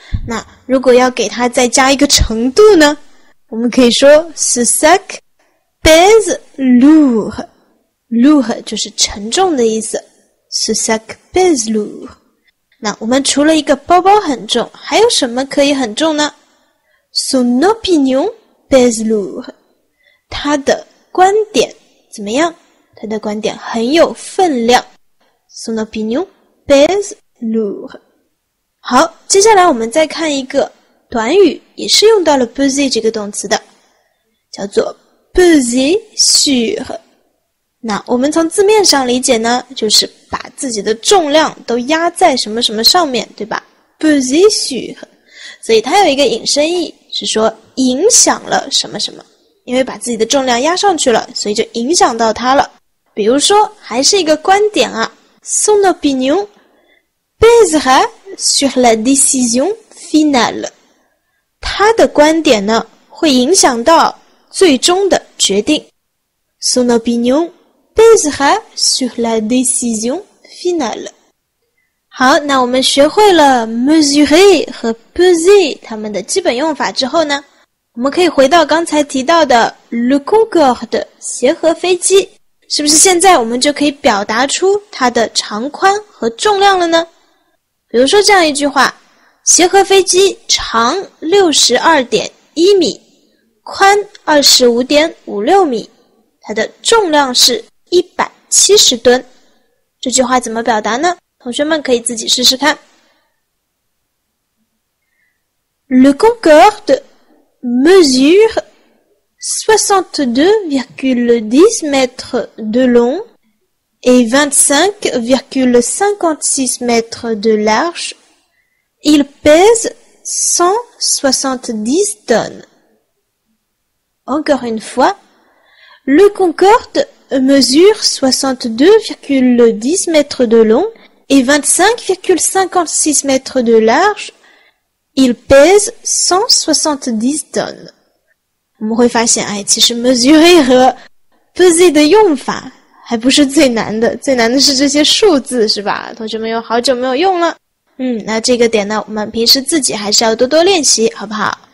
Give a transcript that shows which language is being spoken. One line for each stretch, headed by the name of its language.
Chinese: 那如果要给它再加一个程度呢？我们可以说
French: ce sac pèse lourd，
Chinese: lourd 就是沉重的意思。
French: ce sac pèse lourd。
Chinese: 那我们除了一个包包很重，还有什么可以很重呢？
French: son opinion pèse lourd，
Chinese: 他的观点怎么样？他的观点很有分量。
French: Son opinion pèse lourd。
Chinese: 好，接下来我们再看一个短语，也是用到了 peser 这个动词的，叫做 peser sur。那我们从字面上理解呢，就是把自己的重量都压在什么什么上面，对吧 ？peser sur。所以它有一个引申义，是说影响了什么什么，因为把自己的重量压上去了，所以就影响到它了。比如说，还是一个观点啊
French: ，son opinion pèsera sur la décision finale。
Chinese: 他的观点呢，会影响到最终的决定。
French: son opinion pèsera sur la décision finale。
Chinese: 好，那我们学会了 mesurer 和 peser 它们的基本用法之后呢，我们可以回到刚才提到的 le Concorde 协和飞机。是不是现在我们就可以表达出它的长宽和重量了呢？比如说这样一句话，协和飞机长 62.1 米，宽 25.56 米，它的重量是170吨。这句话怎么表达呢？同学们可以自己试试看。
French: Le Concorde mesure 62,10 mètres de long et 25,56 mètres de large. Il pèse 170 tonnes. Encore une fois, le Concorde mesure 62,10 mètres de long et 25,56 mètres de large. Il pèse 170 tonnes.
Chinese: 我们会发现，哎，其实 mesurer 和 peser 的用法还不是最难的，最难的是这些数字，是吧？同学们有好久没有用了。嗯，那这个点呢，我们平时自己还是要多多练习，好不好？